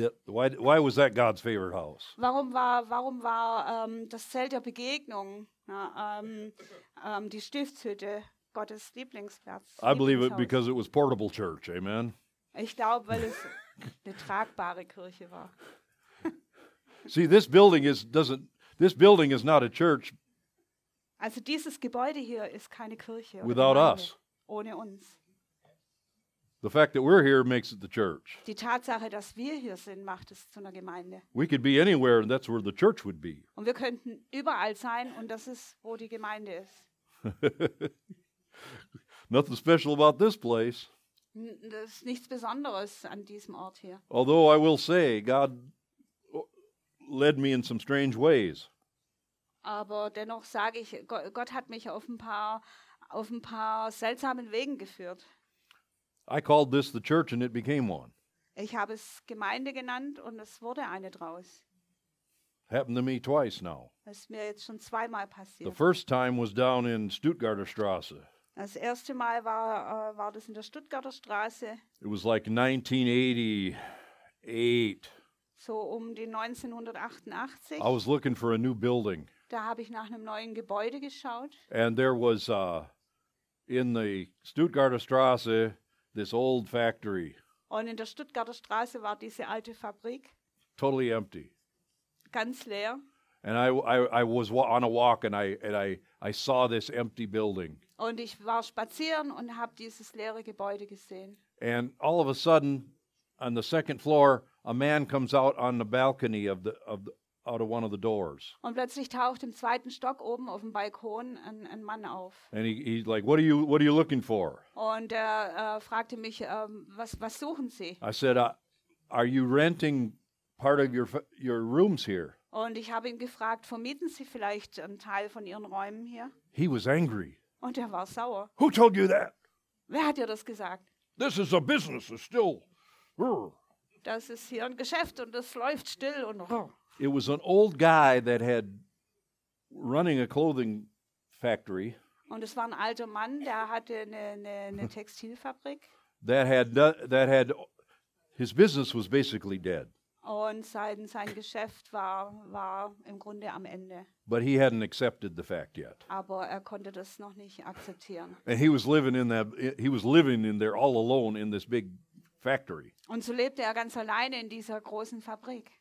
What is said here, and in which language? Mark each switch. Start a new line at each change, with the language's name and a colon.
English: Why was that God's favorite house?
German: Warum war das Zelt der Begegnung, die Stiftshütte Gottes Lieblingsplatz.
English: I believe it because it was portable church. Amen.
German: Ich glaube, weil es eine tragbare Kirche war.
English: See, this building is doesn't. This building is not a church.
German: Also dieses Gebäude hier ist keine Kirche.
English: Without us.
German: Ohne uns.
English: The fact that we're here makes it the church.
German: Die Tatsache, dass wir hier sind, macht es zu einer Gemeinde.
English: We could be anywhere and that's where the church would be.
German: Und wir könnten überall sein und das ist, wo die Gemeinde ist.
English: Nothing special about this place.
German: Das ist nichts Besonderes an diesem Ort hier.
English: Although I will say, God led me in some strange ways.
German: Aber dennoch sage ich, Gott hat mich auf ein paar seltsamen Wegen geführt.
English: I called this the church and it became one.
German: Ich habe es Gemeinde genannt und es wurde eine draus.
English: Happened to me twice now.
German: Das ist mir jetzt schon zweimal passiert.
English: The first time was down in Stuttgarter Straße.
German: Das erste Mal war das in der Stuttgarter Straße.
English: It was like 1988.
German: So um die 1988.
English: I was looking for a new building.
German: Da habe ich nach einem neuen Gebäude geschaut.
English: And there was in the Stuttgarter Straße this old factory.
German: Und in der Stuttgarter Straße war diese alte Fabrik.
English: Totally empty.
German: Ganz leer.
English: And I was on a walk and I saw this empty building.
German: Und ich war spazieren und habe dieses leere Gebäude gesehen.
English: And all of a sudden on the second floor a man comes out on the balcony out of one of the doors.
German: Und plötzlich taucht im zweiten Stock oben auf dem Balkon ein Mann auf.
English: And he's like, what are you looking for?
German: Und er fragte mich, was suchen Sie?
English: I said, are you renting part of your rooms here?
German: Und ich habe ihn gefragt, vermieten Sie vielleicht einen Teil von Ihren Räumen hier?
English: He was angry.
German: Und er war sauer.
English: Who told you that?
German: Wer hat dir das gesagt?
English: This is a business, it's still.
German: Das ist hier ein Geschäft und es läuft still und.
English: It was an old guy that had running a clothing factory.
German: Und es war ein alter Mann, der hatte eine Textilfabrik.
English: That had his business was basically dead.
German: Und sein Geschäft war im Grunde am Ende.
English: But he hadn't accepted the fact yet.
German: Aber er konnte das noch nicht akzeptieren.
English: And he was living in there all alone in this big factory.
German: Und so lebte er ganz alleine in dieser großen Fabrik.